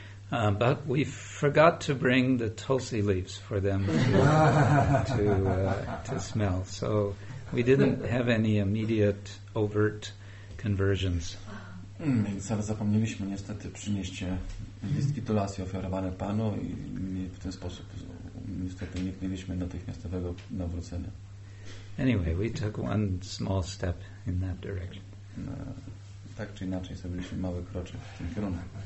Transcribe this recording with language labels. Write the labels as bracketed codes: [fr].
[en] But we forgot to bring the tulsi leaves for them to smell, so we didn't have any immediate overt conversions. [pl] Więc zapomnieliśmy niestety przynieść listki tulasi ofiarowane Panu i w ten sposób niestety nie mieliśmy natychmiastowego nawrócenia. [en] Anyway, we took one small step in that direction. [pl] No, tak czy inaczej zrobiliśmy mały kroczek w tym kierunku.